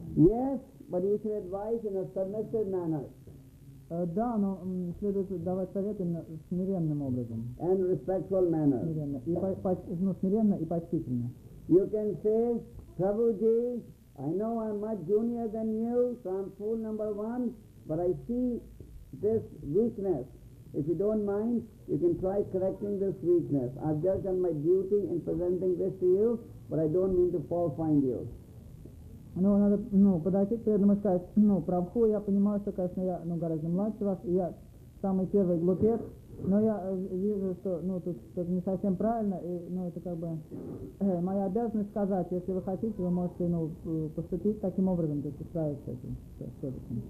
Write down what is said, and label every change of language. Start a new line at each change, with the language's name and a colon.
English: Yes, but you should advise in a submissive manner.
Russian: Да, но следует давать советы смиренным образом.
English: And respectful manner.
Russian: Смиренно и почтительно.
English: You can say, Prabhuji, I know I'm much junior than you, so I'm fool number one. But I see this weakness. If you don't mind, you can try correcting this weakness. I've just done my duty in presenting this to you, but I don't mean to fall find you.
Russian: Ну, надо, ну, подойти к преданному и сказать, ну, Прабху, я понимаю, что, конечно, я, ну, гораздо младше вас, и я самый первый глупец, но я вижу, что, ну, тут что-то не совсем правильно, и, ну, это как бы моя обязанность сказать, если вы хотите, вы можете, ну, поступить таким образом, то есть справиться с этим.